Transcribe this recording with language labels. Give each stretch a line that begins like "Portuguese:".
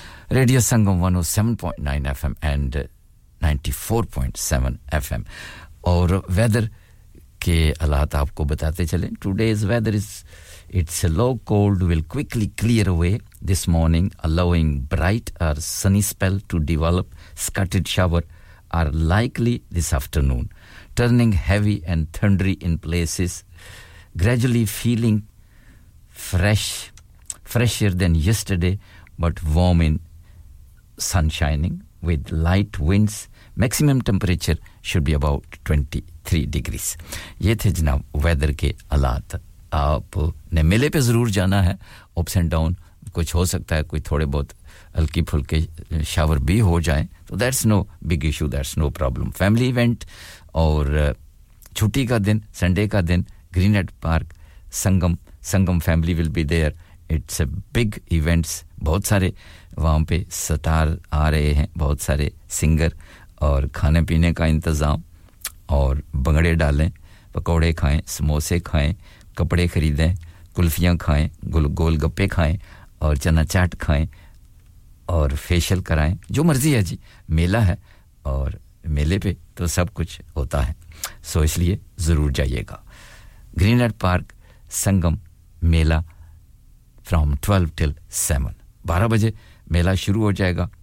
English: Radio Sangam 107.9 FM and 94.7 FM
Hindi: aur weather ke halaat aapko batate chale
English: today's weather is it's a low cold will quickly clear away this morning allowing bright or sunny spell to develop scattered shower are likely this afternoon turning heavy and thundery in places gradually feeling fresher than yesterday but warm in sunshining with light winds Maximum temperature should be about 23 degrees.
Hindi: ये थे जनाब weather के हालात. आप ने मेले पे जरूर जाना है.
English: Ups and down
Hindi: कुछ हो सकता है. कोई थोड़े बहुत हल्की फुल्के shower भी हो जाएं.
English: तो that's no big issue. That's no problem. Family event
Hindi: और छुट्टी का दिन,
English: Sunday का दिन, Greenhead Park, Sangam family will be there. It's a big events.
Hindi: बहुत सारे वहाँ पे star आ रहे हैं. बहुत सारे singer और खाने पीने का इंतजाम और बंगड़े डालें पकोड़े खाएं समोसे खाएं कपड़े खरीदें कुल्फियां खाएं गोल गप्पे खाएं और चना चाट खाएं और फेशियल कराएं जो मर्जी है जी मेला है और मेले पे तो सब कुछ होता है सो इसलिए जरूर जाइएगा Greenhead park Sangam Mela
English: from 12 till 7
Hindi: 12 बजे मेला शुरू हो जाएगा